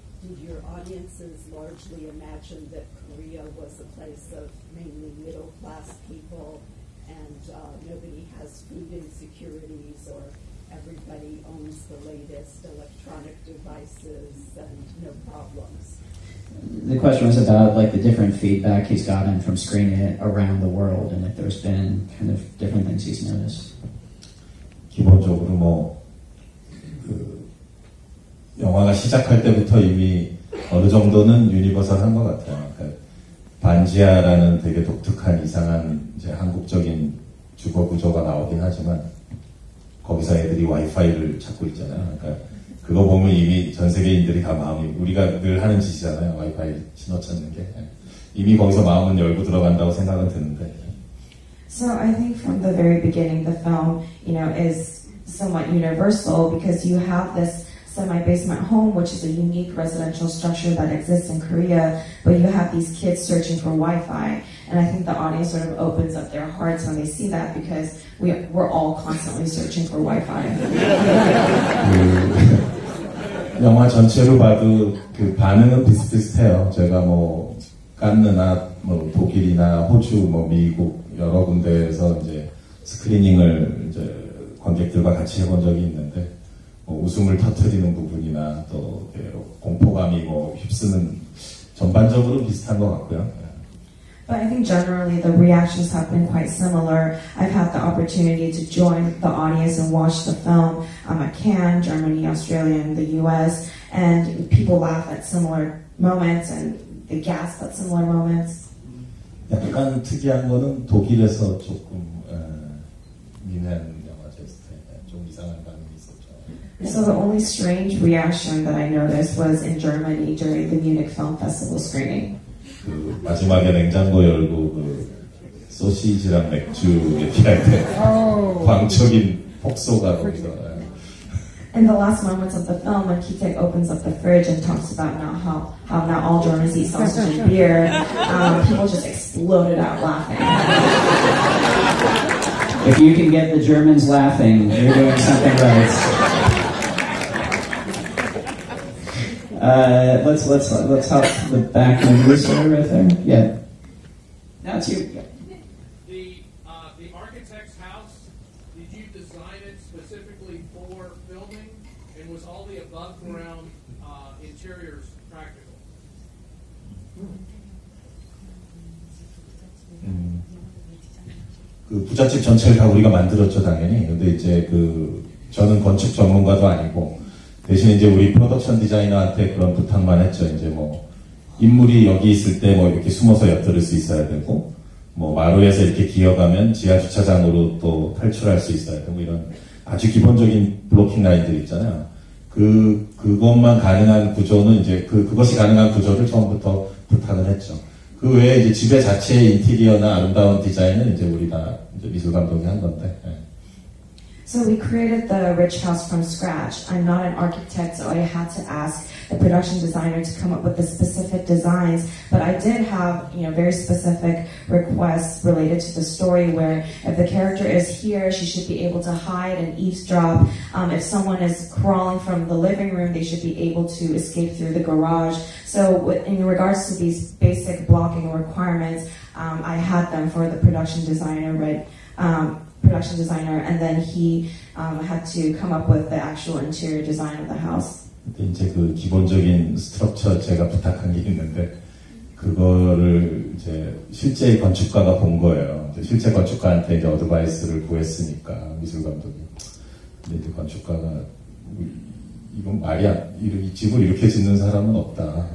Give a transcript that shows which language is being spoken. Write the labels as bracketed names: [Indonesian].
[English] Did your audiences largely imagine that Korea was a place of mainly middle-class people and nobody has food insecurities or everybody owns the latest electronic devices and no problems? The question was about like the different feedback he's gotten from screening it around the world and if there's been kind of different things he's noticed. [Korean] 기본적으로 뭐 영화가 시작할 때부터 이미 어느 정도는 유니버설한 것 같아요. 그러니까 반지하라는 되게 독특한 이상한 이제 한국적인 주거 구조가 나오긴 하지만 거기서 애들이 와이파이를 찾고 있잖아요. 그러니까 그거 보면 이미 전 세계인들이 다 마음이 우리가 늘 하는 짓이잖아요. 와이파이 신호 찾는 게 이미 거기서 마음은 열고 들어간다고 생각은 드는데. [English] So I think from the very beginning, the film, you know, is somewhat universal because you have this semi-basement home, which is a unique residential structure that exists in Korea, but you have these kids searching for Wi-Fi. And I think the audience sort of opens up their hearts when they see that because we're all constantly searching for Wi-Fi. [Korean] 영화 전체로 봐도 그 반응은 비슷비슷해요. 제가 뭐 깐느나 뭐 독일이나 호주, 뭐 미국 여러 군데에서 이제 스크리닝을 이제 관객들과 같이 해본 적이 있는데 뭐 웃음을 터뜨리는 부분이나 또 공포감이 뭐 휩쓰는 전반적으로 비슷한 것 같고요. [English] But I think generally the reactions have been quite similar. I've had the opportunity to join the audience and watch the film at Cannes, Germany, Australia, and the US. And people laugh at similar moments and they gasp at similar moments. [Korean] 약간 특이한 거는 독일에서 조금 미는 영화제스트에 좀 이상한 반응이 있었죠. [English] So the only strange reaction that I noticed was in Germany during the Munich Film Festival screening. [Korean] 그 마지막에 냉장고 열고 그 소시지랑 맥주 얘기할 때 광적인 폭소가 거기서 [English] In the last moments of the film, when Kitek opens up the fridge and talks about how not all Germans eat sausage and beer, people just exploded out laughing. If you can get the Germans laughing, you're doing something right. Let's help the back members here, right there. Yeah. Now it's you. Yeah. The architect's house, did you design it specifically for filming? And was all the above ground interiors practical? [Korean] Mm. 그 부잣집 전체를 다 우리가 만들었죠, 당연히. 근데 이제 그 저는 건축 전문가도 아니고 대신 이제 우리 프로덕션 디자이너한테 그런 부탁만 했죠. 이제 뭐 인물이 여기 있을 때 뭐 이렇게 숨어서 엿들을 수 있어야 되고 뭐 마루에서 이렇게 기어가면 지하 주차장으로 또 탈출할 수 있어야 되고 이런 아주 기본적인 블로킹 라인들 있잖아요. 그것만 가능한 구조는 이제 그것이 가능한 구조를 처음부터 부탁을 했죠. 그 외에 이제 집의 자체의 인테리어나 아름다운 디자인은 이제 우리가 이제 미술 감독이 한 건데. 예. [English] So we created the rich house from scratch. I'm not an architect, so I had to ask the production designer to come up with the specific designs. But I did have, you know, very specific requests related to the story where if the character is here, she should be able to hide and eavesdrop. If someone is crawling from the living room, they should be able to escape through the garage. So in regards to these basic blocking requirements, I had them for the production designer, production designer, and then he had to come up with the actual interior design of the house. [Korean] 이제 그 기본적인 스트럭처 제가 부탁한 게 있는데 그거를 이제 실제 건축가가 본 거예요. 실제 건축가한테 이제 어드바이스를 구했으니까 미술감독이. 근데 이제 건축가가 이건 말이야. 이 집을 이렇게 짓는 사람은 없다.